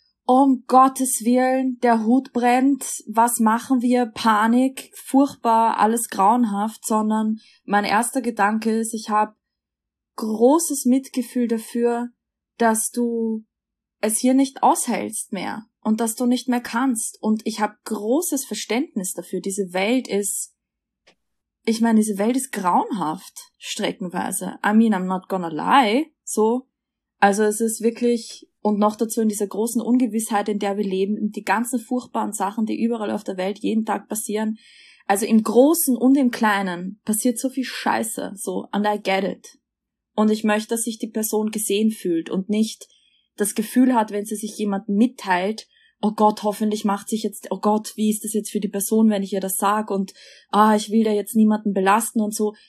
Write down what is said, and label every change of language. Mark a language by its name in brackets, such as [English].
[German] um Gottes Willen, der Hut brennt, was machen wir, Panik, furchtbar, alles grauenhaft, sondern mein erster Gedanke ist, ich habe großes Mitgefühl dafür, dass du es hier nicht aushältst mehr und dass du nicht mehr kannst. Und ich habe großes Verständnis dafür, diese Welt ist grauenhaft, streckenweise. [English] I mean, I'm not gonna lie, so. [German] Also es ist wirklich, und noch dazu in dieser großen Ungewissheit, in der wir leben, die ganzen furchtbaren Sachen, die überall auf der Welt jeden Tag passieren. Also im Großen und im Kleinen passiert so viel Scheiße, so, [English] and I get it. [German] Und ich möchte, dass sich die Person gesehen fühlt und nicht das Gefühl hat, wenn sie sich jemandem mitteilt, oh Gott, hoffentlich macht sich jetzt, oh Gott, wie ist das jetzt für die Person, wenn ich ihr das sag und, ah, ich will da jetzt niemanden belasten und so.